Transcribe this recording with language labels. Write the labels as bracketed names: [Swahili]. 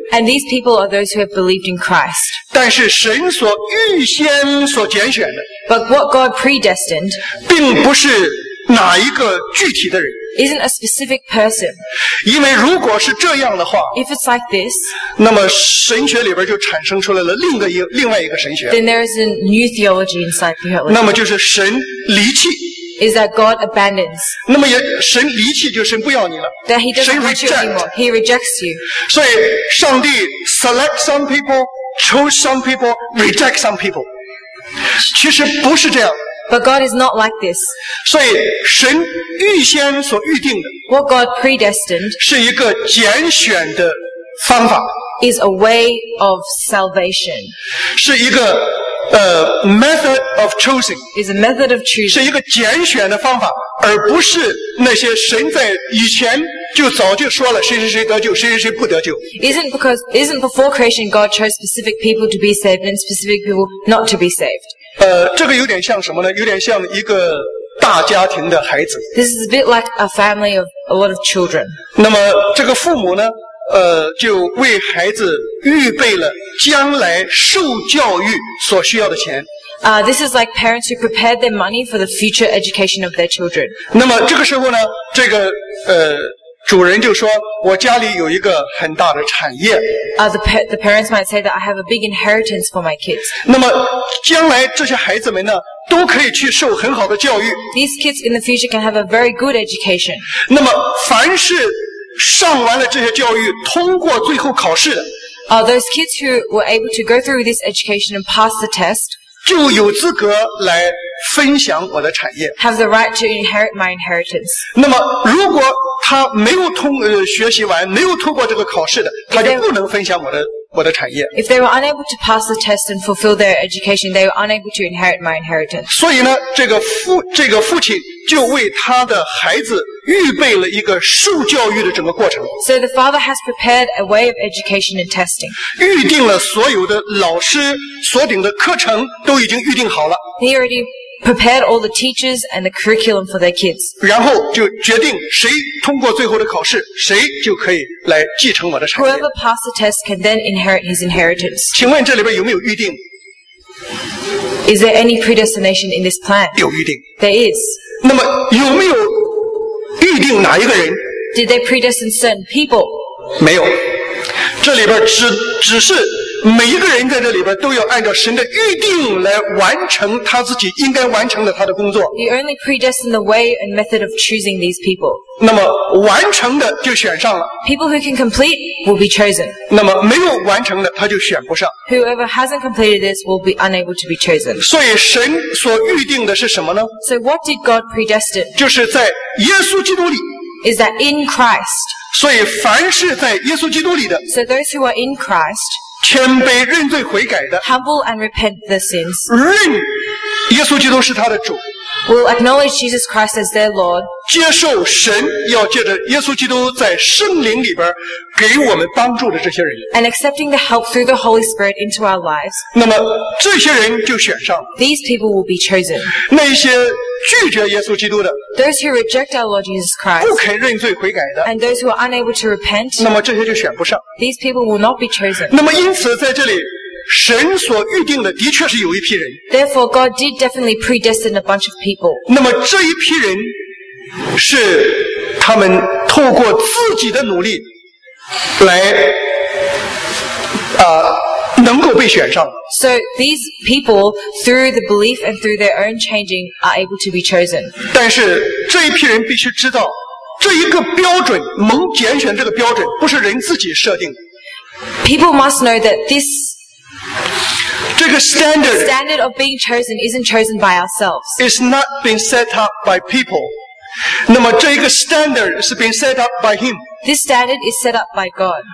[English] And these people are those who have believed in Christ. [Chinese] 但是神所预先所拣选的。 [English] But what God predestined. [Chinese] 并不是哪一个具体的人。 [English] Isn't a specific person. [Chinese] 因为如果是这样的话， [English] If it's like this, [Chinese] 那么神学里边就产生出来了另外一个神学。 [English] Then there is a new theology inside theology. [Chinese] 那么就是神离弃。 [English] is that God abandons. [Chinese] 那么也神离弃就神不要你了。 [English] That he doesn't want you anymore. He rejects you. [Chinese] 所以上帝 [English] select some people, choose some people, reject some people. [Chinese] 其实不是这样。 [English] But God is not like this. [Chinese] 所以神预先所预定的。 [English] What God predestined [Chinese] 是一个拣选的方法。 [English] Is a way of salvation. [Chinese] 是一个 [English] method of choosing. Is a method of choosing. [Chinese] 是一个拣选的方法，而不是那些神在以前就早就说了谁谁谁得救，谁谁谁不得救。 [English] Isn't before creation God chose specific people to be saved and specific people not to be saved? [Chinese] 这个有点像什么呢？有点像一个大家庭的孩子。 [English] This is a bit like a family of a lot of children. [Chinese] 那么这个父母呢？就为孩子预备了将来受教育所需要的钱。 [English] This is like parents who prepared their money for the future education of their children. [Chinese] 那么这个时候呢，这个主人就说，我家里有一个很大的产业。 [English] The parents might say that I have a big inheritance for my kids. [Chinese] 那么将来这些孩子们呢，都可以去受很好的教育。 [English] These kids in the future can have a very good education. [Chinese] 那么凡是上完了这些教育，通过最后考试的。 [English] Those kids who were able to go through this education and pass the test, [Chinese] 就有资格来分享我的产业。 [English] Have the right to inherit my inheritance. [Chinese] 那么，如果他没有学习完，没有通过这个考试的，他就不能分享我的产业。 [English] If they were unable to pass the test and fulfill their education, they were unable to inherit my inheritance. [Chinese] 所以呢，这个父亲就为他的孩子预备了一个受教育的整个过程。 [English] So the father has prepared a way of education and testing. [Chinese] 预定了所有的老师所顶的课程都已经预定好了。 [English] He already prepared all the teachers and the curriculum for their kids. [Chinese] 然后就决定谁通过最后的考试，谁就可以来继承我的产业。 [English] Whoever passed the test can then inherit his inheritance. [Chinese] 请问这里边有没有预定？ [English] Is there any predestination in this plan? [Chinese] 有预定。 [English] There is. [Chinese] 那么有没有预定哪一个人？ [English] Did they predestine certain people? [Chinese] 没有。这里边只是每一个人在这里边都要按照神的预定来完成他自己应该完成的他的工作。 [English] He only predestined the way and method of choosing these people. [Chinese] 那么完成的就选上了。 [English] People who can complete will be chosen. [Chinese] 那么没有完成的他就选不上。 [English] Whoever hasn't completed this will be unable to be chosen. [Chinese] 所以神所预定的是什么呢？ [English] So what did God predestine? [Chinese] 就是在耶稣基督里。 [English] Is that in Christ? [Chinese] 所以凡是在耶稣基督里的。 [English] So those who are in Christ. [Chinese] 谦卑认罪悔改的 [English] humble and repent the sins [Chinese] 认耶稣基督是他的主 [English] will acknowledge Jesus Christ as their Lord [Chinese] 接受神要借着耶稣基督在圣灵里边给我们帮助的这些人 [English] and accepting the help through the Holy Spirit into our lives [Chinese] 那么这些人就选上 [English] these people will be chosen [Chinese] 那些拒绝耶稣基督的 [English] those who reject our Lord Jesus Christ [Chinese] 不肯认罪悔改的 [English] and those who are unable to repent [Chinese] 那么这些就选不上 [English] these people will not be chosen [Chinese] 那么因此在这里神所预定的的确是有一批人 [English] therefore God did definitely predestine a bunch of people [Chinese] 那么这一批人是他们透过自己的努力来能够被选上。 [English] So these people, through the belief and through their own changing, are able to be chosen. [Chinese] 但是这一批人必须知道，这一个标准，蒙拣选这个标准，不是人自己设定的。 [English] People must know that this [Chinese] 这个 [English] standard of being chosen isn't chosen by ourselves. It's not been set up by people. [Chinese] 那么这一个 [English] standard 是 been set up by him. This standard is set up by God.